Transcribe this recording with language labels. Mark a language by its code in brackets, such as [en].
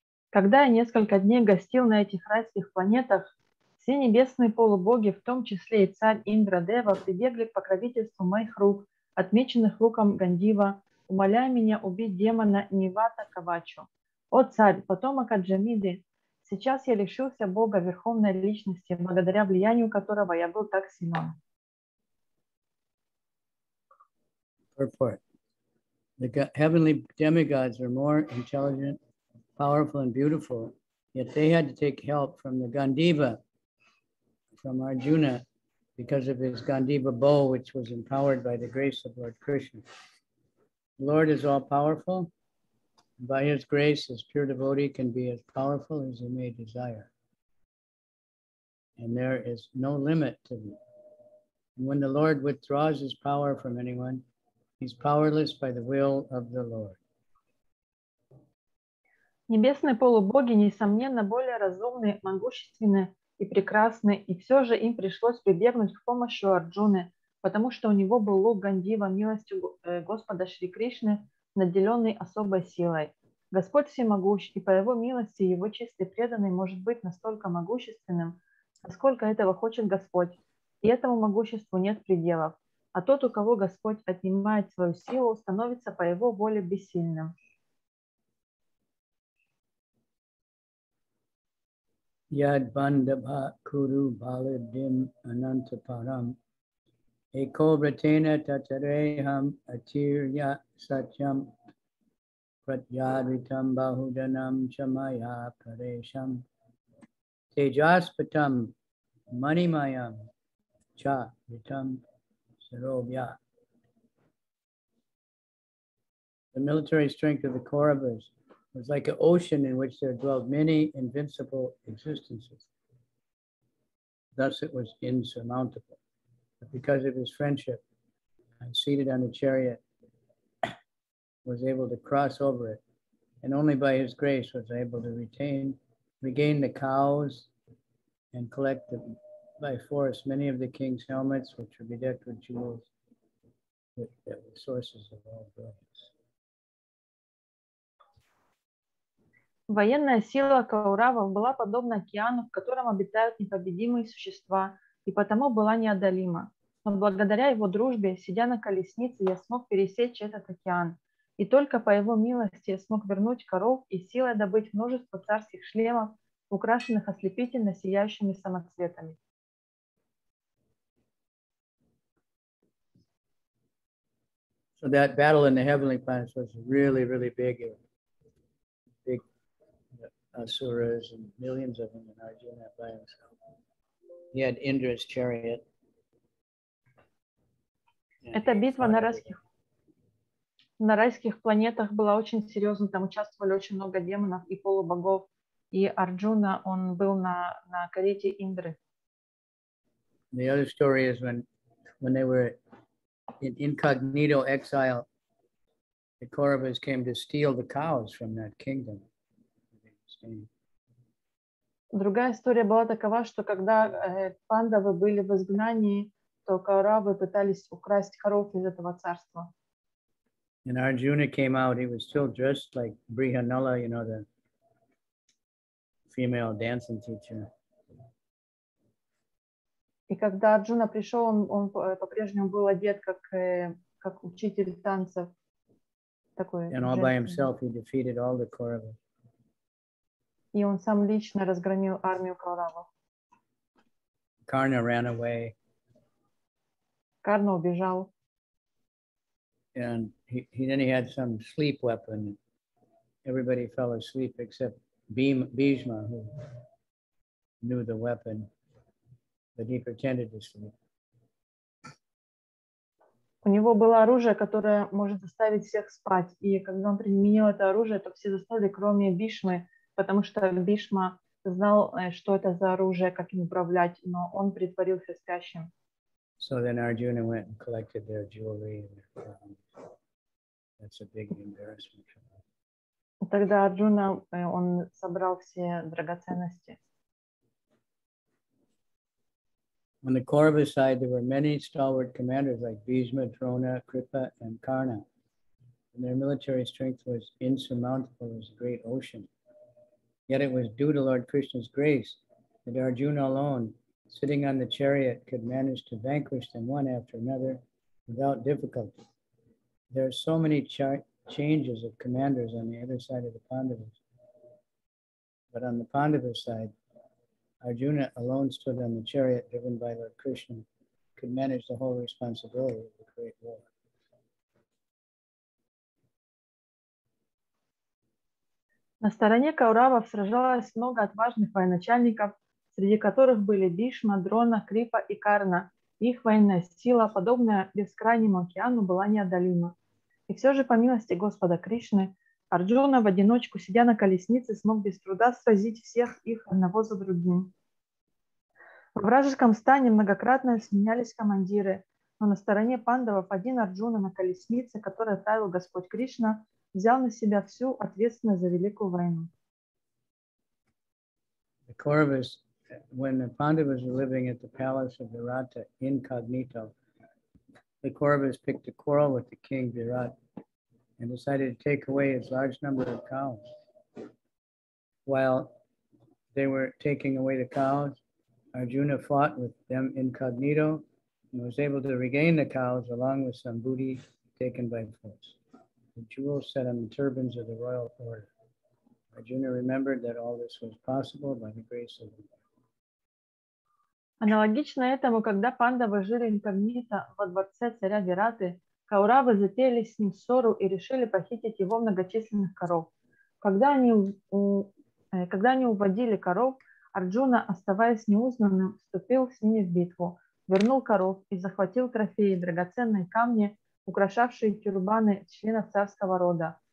[ru] Когда я несколько дней гостил на этих райских планетах, все небесные полубоги, в том числе и царь Индра Дева, прибегли к покровительству моих рук, отмеченных луком Гандива, умоляя меня убить демона Нивата Кавачу. О царь, потомок Аджамиды, сейчас я лишился Бога Верховной Личности, благодаря влиянию которого я был так силен. [en] Report. The heavenly demigods are more intelligent, powerful, and beautiful, yet they had to take help from the Gandiva, from Arjuna, because of his Gandiva bow, which was empowered by the grace of Lord Krishna. The Lord is all powerful. By his grace, his pure devotee can be as powerful as he may desire. And there is no limit to them. And when the Lord withdraws his power from anyone, he's powerless by the will of the Lord. [ru] Небесные полубоги, несомненно, более разумны, могущественны и прекрасны, и все же им пришлось прибегнуть к помощи Арджуны, потому что у него был лук Гандива, милостью Господа Шри Кришны, наделенный особой силой. Господь всемогущ, и по его милости его чистый преданный может быть настолько могущественным, насколько этого хочет Господь, и этому могуществу нет пределов. А тот, у кого Господь отнимает свою силу, становится по его воле бессильным. [sa] Яд бандабха куру баладим анантапарам эко бретена тачарейхам атирья сачам пратьяритам бахуданам чамая парешам теджаспатам манимаям ча витам. [en] The military strength of the Kauravas was like an ocean in which there dwelled many invincible existences. Thus it was insurmountable. But because of his friendship, I seated on a chariot, was able to cross over it, and only by his grace was I able to regain the cows and collect them. By force, many of the king's helmets, which were bedecked with jewels, that were sources of all brilliance. [ru] Военная сила Кауравов была подобна океану, в котором обитают непобедимые существа, и потому была неодолима. Но благодаря его дружбе, сидя на колеснице, я смог пересечь этот океан, и только по его милости я смог вернуть коров и силой добыть множество царских шлемов, украшенных ослепительно сияющими самоцветами. [en] So that battle in the heavenly planets was really, really big. It was big, the asuras and millions of them in Arjuna by himself. He had Indra's chariot. [ru] Эта битва на райских планетах была очень серьезной. Там участвовали очень много демонов и полубогов. И Арджуна, он был на карете Индры. [en] The other story is when they were in incognito exile, the Kauravas came to steal the cows from that kingdom. [ru] Другая история была такова, что когда Пандавы были в изгнании, то Кауравы пытались украсть коров из этого царства. [en] And Arjuna came out, he was still dressed like Brihanala, you know, the female dancing teacher. [ru] И когда Арджуна пришел, он по-прежнему был одет как учитель танцев. Такой. [en] And all by himself he defeated all the Kauravas. [ru] И он сам лично разгромил армию Кауравов. [en] Карна ran away. [ru] Карна убежал. [en] And then he had some sleep weapon. Everybody fell asleep except Bhishma, who knew the weapon. But he pretended to sleep. [ru] У него было оружие, которое может заставить всех спать. И когда он применил это оружие, то все заснули, кроме Бишмы, потому что Бишма знал, что это за оружие, как им управлять, но он притворился спящим. [en] So then Arjuna went and collected their jewelry. That's a big embarrassment for them. [ru] Тогда Арджуна, он собрал все драгоценности. [en] On the Kaurava side, there were many stalwart commanders like Bhishma, Drona, Kripa, and Karna. and their military strength was insurmountable as a great ocean. Yet it was due to Lord Krishna's grace that Arjuna alone, sitting on the chariot, could manage to vanquish them one after another without difficulty. There are so many changes of commanders on the other side of the Pandavas. But on the Pandava side, Arjuna alone stood on the chariot driven by Lord Krishna, could manage the whole responsibility of the great war. [ru] На стороне Кауравов сражалось много отважных военачальников, среди которых были Бишма, Дрона, Крипа и Карна. Их военная сила, подобная бескрайнему океану, была неодолима. И все же, по милости Господа Кришны, Арджуна в одиночку, сидя на колеснице, смог без труда сразить всех их одного за другим. В вражеском стане многократно сменялись командиры, но на стороне Пандавов один Арджуна на колеснице, который отправил Господь Кришна, взял на себя всю ответственность за великую войну. [en] The Kauravas, when the Pandavas were living at the palace of Virata incognito, the Kauravas picked a quarrel with the king Virat and decided to take away his large number of cows. While they were taking away the cows, Arjuna fought with them incognito and was able to regain the cows along with some booty taken by force. The jewels set on the turbans of the royal order. Arjuna remembered that all this was possible by the grace of the Lord. [ru] Аналогично этому, когда Пандавы жили инкогнито во дворце царя Вираты, Кауравы затеяли с ним ссору и решили похитить его многочисленных коров. Когда они уводили коров, Арджуна, оставаясь неузнанным, вступил с ними в битву, вернул коров и захватил трофеи, драгоценные камни, украшавшие тюрбаны членов царского рода.